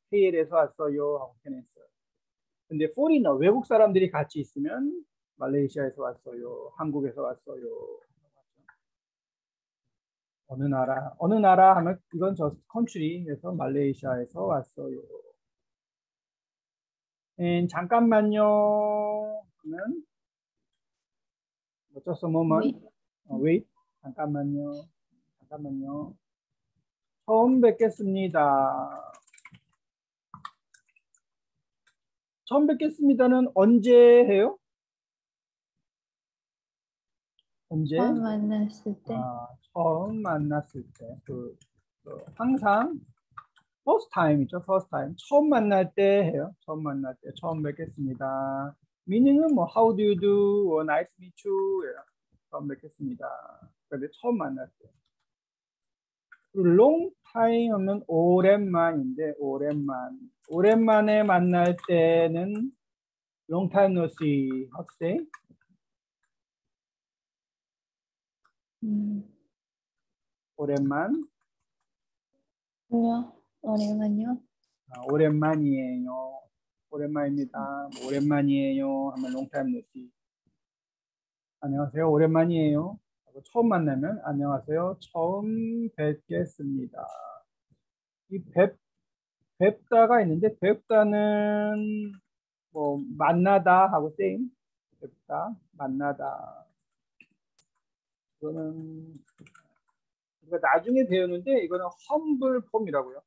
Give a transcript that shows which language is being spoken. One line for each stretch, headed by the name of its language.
Korean: 헤일에서 왔어요 하고 표현했어요. 근데 foreigner 외국 사람들이 같이 있으면 말레이시아에서 왔어요. 한국에서 왔어요. 어느 나라? 어느 나라 하면 이건 저 컨트리에서 말레이시아에서 왔어요.
English: and
Korean: 잠깐만요 하면
English: just a moment. Wait.
Korean: 잠깐만요. 잠깐만요. 처음 뵙겠습니다. 처음 뵙겠습니다는 언제 해요? 언제? 처음 만났을 때. 아, 처음 만났을 때. 항상 first time이죠.
English: First time.
Korean: 처음 만날 때 해요. 처음 만날 때. 처음 뵙겠습니다.
English: Meaning은
Korean: 뭐
English: how do you do? Or nice meet you.
Korean: 예요. 처음 뵙겠습니다. 근데 처음 만날 때. Long time 하면 오랜만인데 오랜만. 오랜만에 만날 때는
English: long time no see. How to say?
Korean: 오랜만. 오랜만요. 아, 오랜만이에요. 오랜만입니다. 오랜만이에요. 하면
English: long time no see.
Korean: 안녕하세요. 오랜만이에요. 하고 처음 만나면 안녕하세요. 처음 뵙겠습니다. 이 뵙다가 있는데 뵙다는 뭐 만나다 하고 same. 뵙다 만나다. 이거는 우리가 나중에 배우는데 이거는 humble form이라고요.